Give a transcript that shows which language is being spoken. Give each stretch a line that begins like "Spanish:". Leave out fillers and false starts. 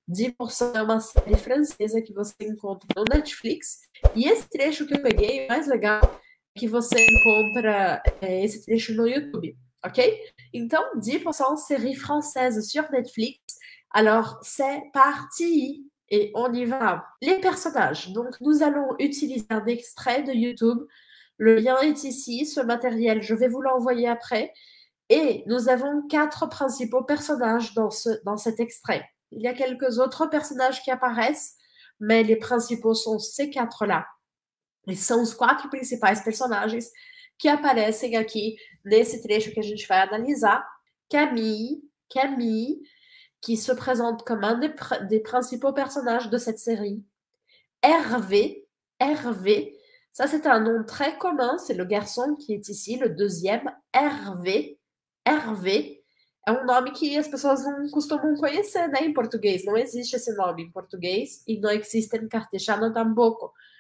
Portuguese: 10% é uma série francesa que você encontra no Netflix. E esse trecho que eu peguei, mais legal, que você encontra esse trecho no YouTube, ok?
French: Então, 10% série française sur Netflix. Alors, c'est parti et on y va. Les personnages. Donc, nous allons utiliser un extrait de YouTube. Le lien est ici, ce matériel, je vais vous l'envoyer après. Et nous avons quatre principaux personnages dans cet extrait. Il y a quelques autres personnages qui apparaissent, mais les principaux sont ces quatre-là.
Portuguese: E são os quatro principais personagens que aparecem aqui nesse trecho que a gente vai analisar. Camille, que se apresenta como um dos principais personagens de
French: cette série. Hervé, ça c'est un nom très commun, c'est le garçon qui est ici, le deuxième.
Portuguese: Hervé, é um nome que as pessoas não costumam conhecer, né, em português. Não existe esse nome em português e não existe em castelhano tampouco.